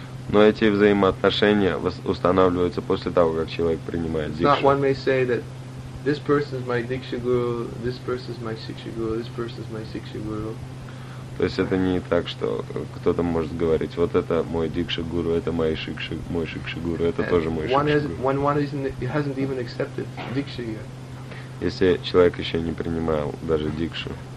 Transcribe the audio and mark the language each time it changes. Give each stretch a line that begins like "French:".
Russian: Но эти взаимоотношения устанавливаются после того, как человек принимает Дикшу.
English: Not one may say that this person is my Diksha Guru, this person is my Siksha Guru, this person is my Siksha Guru.
Russian: То есть это не так, что кто-то может говорить, вот это мой дикша-гуру, это мой шикша-гуру, мой шикша-гуру, это тоже мой шикша-гуру. Если человек еще не принимал даже дикшу.